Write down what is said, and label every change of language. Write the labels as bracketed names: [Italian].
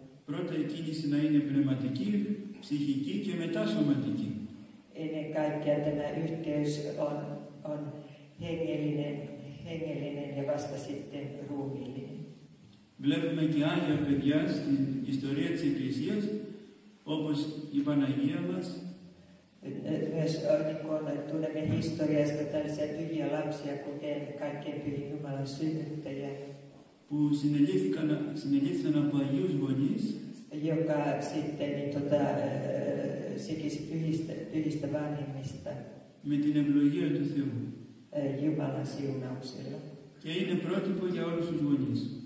[Greek] Πρώτα η κίνηση να είναι πνευματική, ψυχική και μετά σωματική. [Finnish] Ennen kaikkea tämä yhteys on hengellinen ja vasta sitten ruumiillinen. [Greek] Βλέπουμε και άγια παιδιά στην ιστορία της Εκκλησίας, όπως η Παναγία μας. [Finnish] Myös tunnemme historiasta tällaisia pyhiä lapsia, kuten kaikkein pyhin Jumalan synnyttäjä. [Greek] Που συνελήφθηκαν από αγίους γονείς. [Finnish] Joka sitten niin, sikisi pyhistä vanhemmista. [Greek] Με την ευλογία του Θεού. [Finnish] Jumalan siunauksella. [Greek] Και είναι πρότυπο για όλους τους γονείς.